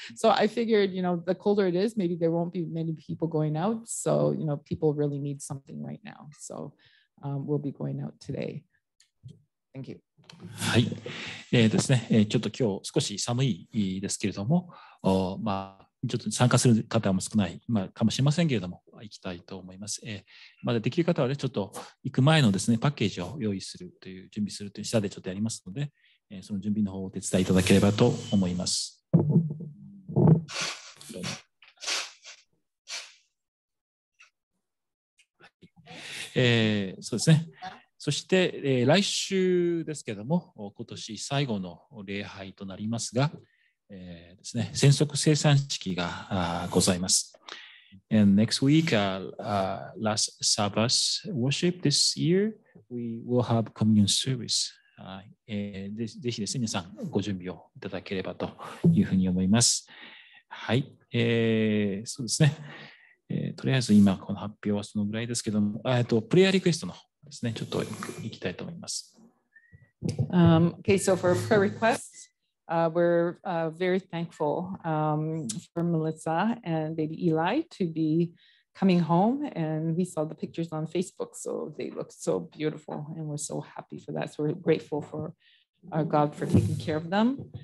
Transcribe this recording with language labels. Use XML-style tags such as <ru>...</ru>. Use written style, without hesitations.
<en>So I figured, you know, the colder it is, maybe there won't be many people going out. So, you know, people really need something right now. So we'll be going out today. Thank you.</en> <ja>はい、ですね、ちょっと今日少し寒いですけれども、まあ、ちょっと参加する方も少ない、まあ、かもしれませんけれども行きたいと思います、まだできる方は、ね、ちょっと行く前のですねパッケージを用意するという準備するという下でちょっとやりますので、その準備の方をお手伝いいただければと思います。はい、そうですね。そして、来週ですけれども、今年最後の礼拝となりますが、ですね、先祖清算式がございます。</ja> <en>And next week, last Sabbath worship this year, we will have communion service.</en> <ja>ぜひですね、皆さんご準備をいただければというふうに思います。はい、そうですね、とりあえず今この発表はそのぐらいですけども、プレイヤーリクエストのですね、ちょっと行きたいと思います。</ja> <en>Okay, so for prayer requests, we're very thankful for Melissa and baby Eli to be coming home, and we saw the pictures on Facebook, so they look so beautiful, and we're so happy for that. So we're grateful for our God for taking care of them.</en>